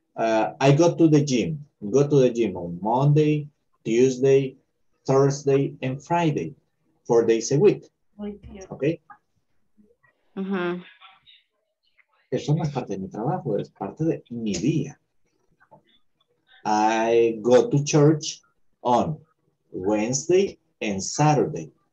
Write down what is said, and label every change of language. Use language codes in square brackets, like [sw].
[en] I go to the gym on Monday, Tuesday, Thursday, and Friday, 4 days a week, okay? Mm-hmm. [es] Eso no es parte de mi trabajo, es parte de mi día. [en] I go to church on Wednesday and Saturday.